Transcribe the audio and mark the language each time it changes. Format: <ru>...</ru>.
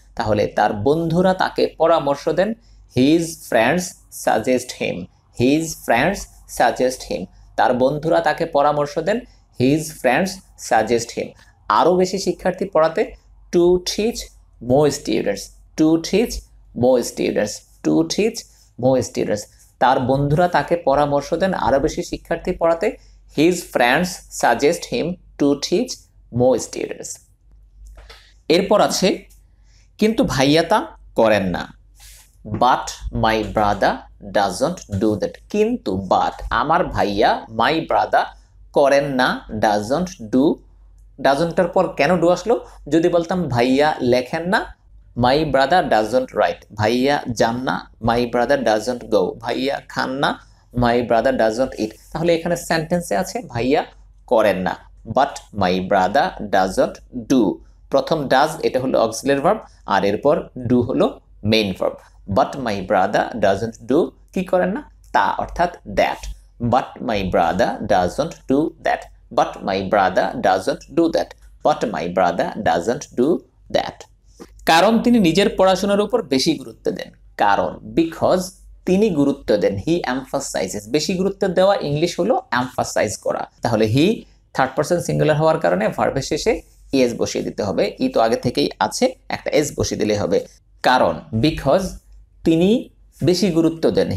<bn>তাহলে তার বন্ধুরা তাকে পরামর্শ দেন,</bn> <en>his friends suggest him,</en> <bn>হিজ ফ্রেন্ডস সাজেস্ট হিম, তার বন্ধুরা তাকে পরামর্শ দেন, হিজ ফ্রেন্ডস সাজেস্ট হিম, আরও বেশি শিক্ষার্থী পড়াতে,</bn> <en>to teach more students,</en> <bn>to teach Md students, to teach Md students, তার বন্ধুরা তাকে পরামর্শ দেন আরও বেশি শিক্ষার্থী পড়াতে,</bn> <en>His friends suggest him to teach more students.</en> <bn>এরপর আছে, কিন্তু ভাইয়া তা করেন না.</bn> <en>But my brother doesn't do that.</en> <bn>কিন্তু but আমার ভাইয়া</bn> <en>my brother</en> <bn>করেন না doesn't এর পর কেন do আসলো? যদি বলতাম ভাইয়া লেখেন না</bn> <en>my brother doesn't write.</en> <bn>ভাইয়া যান না</bn> <en>my brother doesn't go.</en> <bn>ভাইয়া খান না</bn> <en>my brother doesn't eat.</en> <bn>তাহলে এখানে sentence আছে ভাইয়া করেন না.</bn> <en>But my brother doesn't do.</en> <bn>প্রথম does এটা হলো auxiliary verb আর এরপর do হলো main verb.</bn> <en>But my brother doesn't do</en> <bn>কি করেন না তা অর্থাৎ</bn> <en>that. But my brother doesn't do that. But my brother doesn't do that. But my brother doesn't do that.</en> <bn>কারণ তিনি নিজের পড়াশোনার উপর বেশি গুরুত্ব দেন. কারণ because তিনি গুরুত্ব দেন.</bn> <en>He emphasizes.</en> <bn>বেশি গুরুত্ব দেওয়া ইংলিশ হলো emphasize করা. তাহলে he থার্ড পারসন সিঙ্গুলার হওয়ার কারণে ভার্বের শেষে ইএস বসিয়ে দিতে হবে. ই তো আগে থেকেই আছে, একটা এস বসিয়ে দিলে হবে. কারণ বিকজ তিনি বেশি গুরুত্ব দেন.</bn>